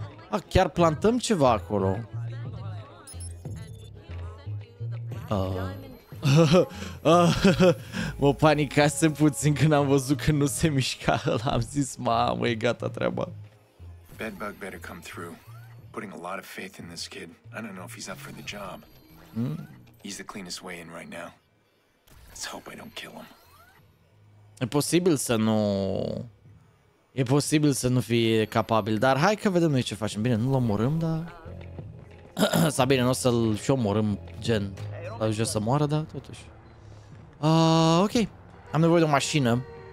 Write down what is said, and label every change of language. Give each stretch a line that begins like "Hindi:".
Romanian: A, chiar plantăm ceva acolo. Mă panicasem puțin când am văzut că nu se mișca. L-am zis, mamă, e gata treaba.
English: Bedbug better come through. Putting a lot of faith in this kid. I don't know if he's up for the job. He's the cleanest way in right now. Let's hope I don't kill him.
Romanian: E posibil să nu... E posibil să nu fie capabil, dar hai că vedem noi ce facem. Bine, nu-l omorâm, dar... Sau bine, n-o să-l și omorâm, gen... Dar jos să moară, da, totuși. Ok. Am nevoie de o mașină.